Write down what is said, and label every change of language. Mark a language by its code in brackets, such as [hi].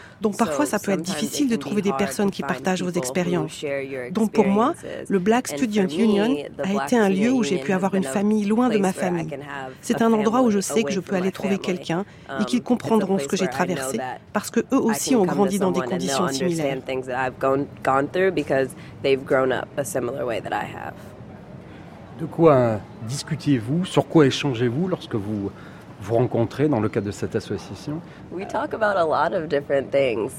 [fr] Donc parfois, ça peut être difficile de trouver des personnes qui partagent vos expériences. Donc pour moi, le Black Student Union a été un lieu où j'ai pu avoir une famille loin de ma famille. C'est un endroit où je sais que je peux aller trouver quelqu'un et qu'ils comprendront ce que j'ai traversé, parce qu'eux aussi ont grandi dans des conditions [en] understand things that I've gone through because they've grown up a similar way that I have. [fr] De quoi discutez-vous, sur quoi échangez-vous lorsque vous vous rencontrez dans le cadre de cette association? [en] We talk about a lot of different things.